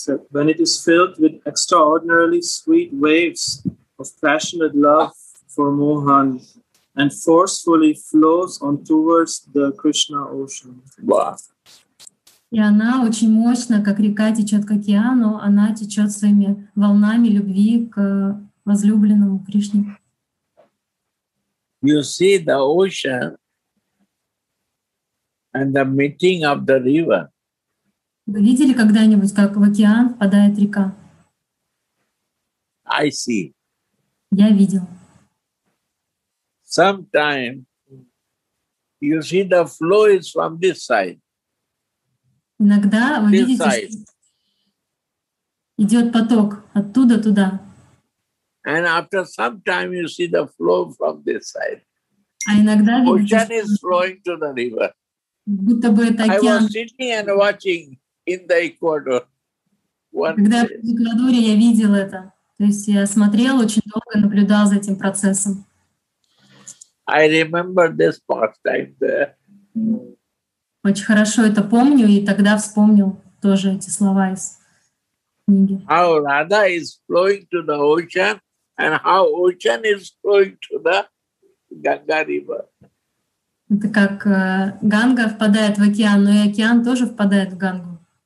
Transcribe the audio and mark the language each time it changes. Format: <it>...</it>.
<en>When it is filled with extraordinarily sweet waves of passionate love for Mohan and forcefully flows on towards the Krishna ocean.</en> <ru>И она очень мощно, как река течет к океану, она течет своими волнами любви к возлюбленному Кришне.</ru> <en>You see the ocean and the meeting of the river.</en> <ru>Вы видели когда-нибудь, как в океан впадает река?</ru> <en>I see.</en> <ru>Я видел.</ru> <en>Sometime you see the flow is from this side.</en> <ru>Иногда вы видите, что идет поток оттуда туда.</ru> <en>And after some time you see the flow from this side.</en> <ru>А иногда видите,</ru> <en>ocean is flowing to the river.</en> <ru>Будто бы это океан.</ru> <en>I was sitting and watching in the Ecuador.</en> <ru>Когда я в Эквадоре, я видел это. То есть я смотрел очень долго, наблюдал за этим процессом.</ru> <en>I remember this pastime there.</en> <ru>Очень хорошо это помню, и тогда вспомнил тоже эти слова из книги.</ru> <en>How Radha is flowing to the ocean, and how ocean is flowing to the Ganga River.</en> <ru>Это как Ганга впадает в океан, но и океан тоже впадает в Гангу.</ru>